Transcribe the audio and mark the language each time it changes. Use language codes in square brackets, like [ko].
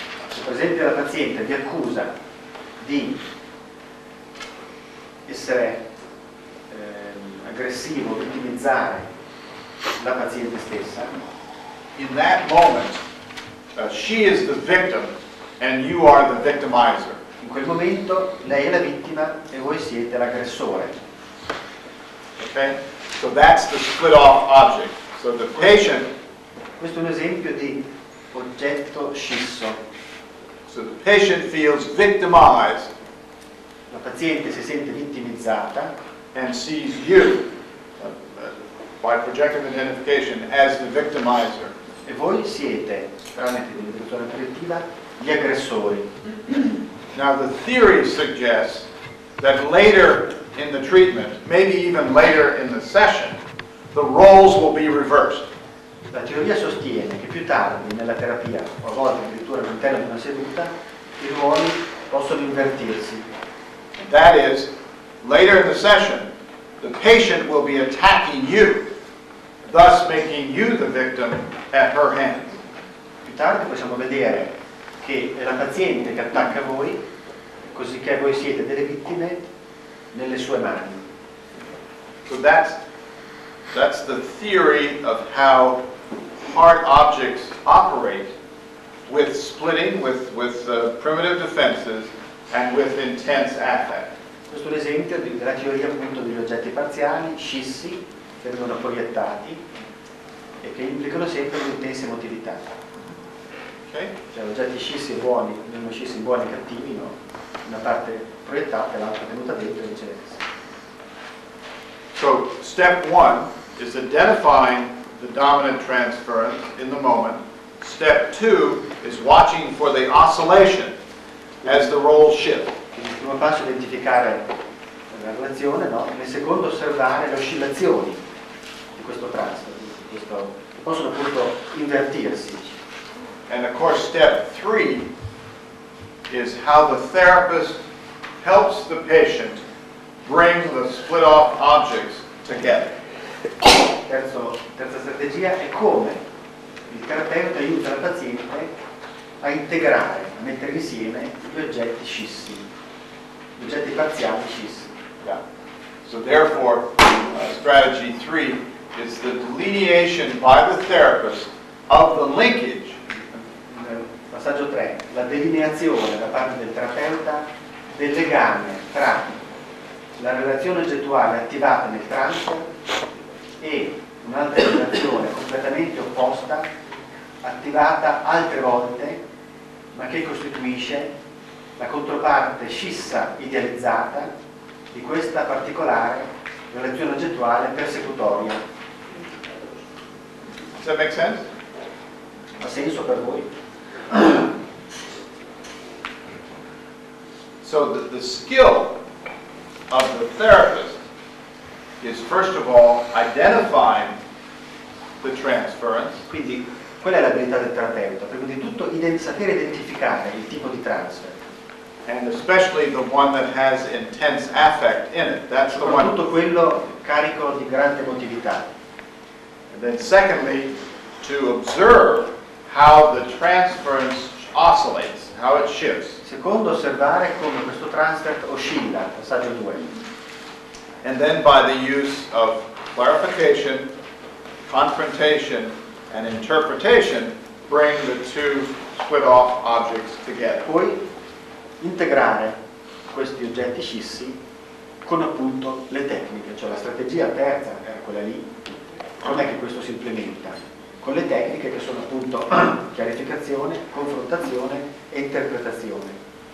[it] Se per esempio la paziente ti accusa di essere aggressivo, vittimizzare la paziente stessa. [en] In that moment, she is the victim and you are the victimizer. [it] In quel momento lei è la vittima e voi siete l'aggressore. [en] Okay? So that's the split off object. So the patient. [it] Questo è un esempio di oggetto scisso. [en] So the patient feels victimized. [it] La paziente si sente vittimizzata [en] and sees you by projective identification as the victimizer. [it] E voi siete, tramite l'identificazione collettiva, gli aggressori. [en] Now the theory suggests that later in the treatment, maybe even later in the session, the roles will be reversed. [it] La teoria sostiene che più tardi nella terapia, o a volte addirittura all'interno di una seduta, i ruoli possono invertirsi. [en] That is, later in the session, the patient will be attacking you, thus making you the victim at her hands. [it] Più tardi possiamo vedere che è la paziente che attacca voi, cosicché voi siete delle vittime nelle sue mani. [en] So that's the theory of how hard objects operate with splitting, with primitive defenses, and with intense affect. [it] Questo è l'esempio della teoria appunto degli oggetti parziali, scissi, che vengono proiettati e che implicano sempre un'intensa emotività. [en] Okay. [it] Cioè oggetti scissi e buoni, vengono scissi in buoni e cattivi, no? Una parte proiettata e l'altra tenuta dentro e viceversa. [en] So, step one is identifying the dominant transference in the moment. Step two is watching for the oscillation as the role shift. [it] Il primo passo è identificare la relazione, no? Nel secondo osservare le oscillazioni di questo transfer, che possono appunto invertirsi. [en] And of course step three is how the therapist helps the patient bring the split off objects together. [it] Terza strategia è come il terapeuta aiuta il paziente a integrare, a mettere insieme gli oggetti scissi, gli oggetti parziali scissi. [en] Yeah. So therefore, strategy three is the delineation by the therapist of the linkage. [it] Passaggio tre, la delineazione da parte del terapeuta del legame tra la relazione oggettuale attivata nel transfer e un'altra relazione completamente opposta attivata altre volte ma che costituisce la controparte scissa idealizzata di questa particolare relazione oggettuale persecutoria. [en] Does that make sense? [it] Ha senso per voi? [en] So the skill of the therapist is first of all identifying the transference. [it] Quindi, qual è l'abilità del terapeuta? Prima di tutto, sapere identificare il tipo di transfer. [en] And especially the one that has intense affect in it. That's the one. [it] Tutto quello carico di grande emotività. [en] And then secondly, to observe how the transference oscillates, how it shifts. [it] Secondo, osservare come questo transfer oscilla, passaggio 2. [en] And then by the use of clarification, confrontation, and interpretation, bring the two split-off objects together. [it] Poi, integrare questi oggetti scissi con appunto le tecniche, cioè la strategia terza, che era quella lì, com'è che questo si implementa? Con le tecniche che sono appunto chiarificazione, confrontazione e interpretazione.